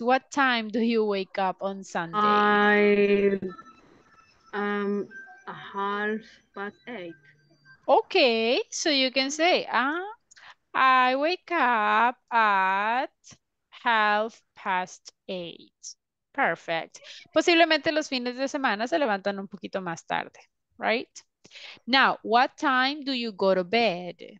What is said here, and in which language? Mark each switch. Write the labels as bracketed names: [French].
[English] What time do you wake up on Sunday? I'm 8:30. Okay, so you can say, I wake up at 8:30. Perfect. [Spanish] Posiblemente los fines de semana se levantan un poquito más tarde, [English] right? Now, what time do you go to bed?